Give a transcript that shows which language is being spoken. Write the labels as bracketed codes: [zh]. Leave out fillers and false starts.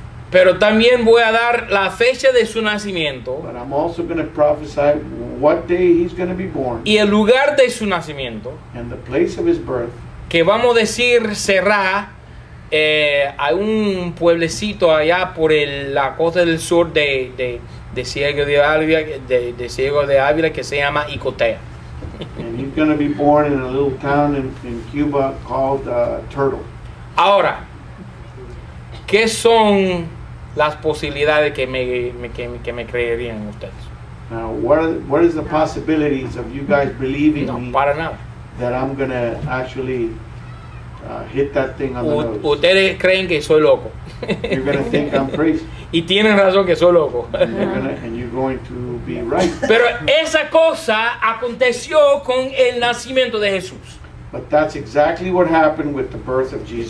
[es] pero también voy a dar la fecha de su nacimiento, [en] but I'm also going to prophesy what day he's going to be born, [es] y el lugar de su nacimiento, [en] and the place of his birth, [es] que vamos a decir será a un pueblecito allá por la costa del sur de Ciego de Ávila que se llama Icotea. [en] And he's going to be born in a little town in Cuba called Turtle. [es] Ahora, ¿qué son las posibilidades que me creerían ustedes? [en] Now, what is the possibilities of you guys believing [es] no, [en] me? [es] No, para nada. [en] That I'm going to actually hit that thing on the nose. [es] Ustedes creen que soy loco. [en] You're going to think I'm crazy. [es] Y tienen razón que soy loco. [en] And you're going to be right. [es] Pero esa cosa aconteció con el nacimiento de Jesús. [en] But that's exactly what happened with the birth of Jesus.